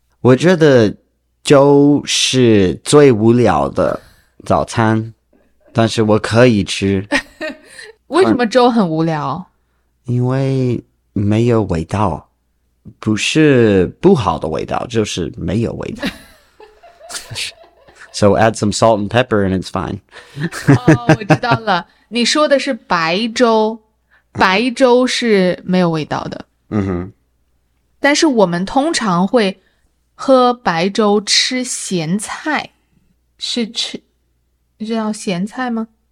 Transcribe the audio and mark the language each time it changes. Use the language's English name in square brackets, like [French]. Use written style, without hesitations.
[Chinese] 我觉得粥是最无聊的早餐，但是我可以吃。为什么粥很无聊？因为没有味道，不是不好的味道，就是没有味道。 [English] So add some salt and pepper and it's fine. [Chinese] 哦，我知道了，你说的是白粥，白粥是没有味道的。嗯哼。但是我们通常会喝白粥吃咸菜，是吃，你知道咸菜吗？